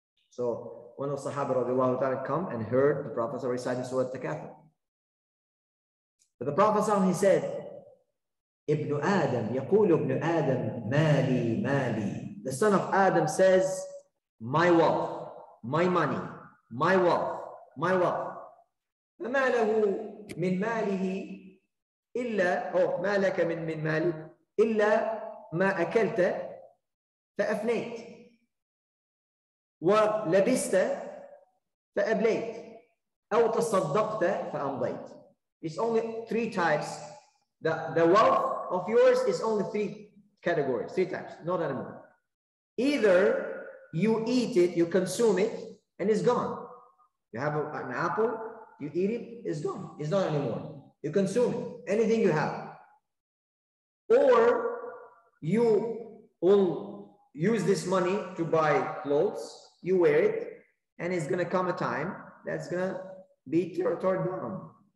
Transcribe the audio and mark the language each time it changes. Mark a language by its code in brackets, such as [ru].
[en] So one of the Sahaba radiallahu ta'ala come and heard the Prophet reciting Surah Takaathur. But the Prophet sallallahu alaihi wasallam, he said, Ibn Adam, [ar] يقول ابن آدم مالي مالي. [en] The son of Adam says, my wealth, my money, my wealth, my wealth. [ar] فما له من ماله إلا ما لك من مالي إلا ما أكلت فأفنيت ولبست فأبليت أو تصدقت فأمضيت. [en] It's only three types. The wealth of yours is only three categories, three types, not anymore. Either you eat it, you consume it, and it's gone. You have an apple, you eat it, it's gone. It's not anymore. You consume it, anything you have. Or you will use this money to buy clothes, you wear it, and it's going to come a time that's going to be torn down.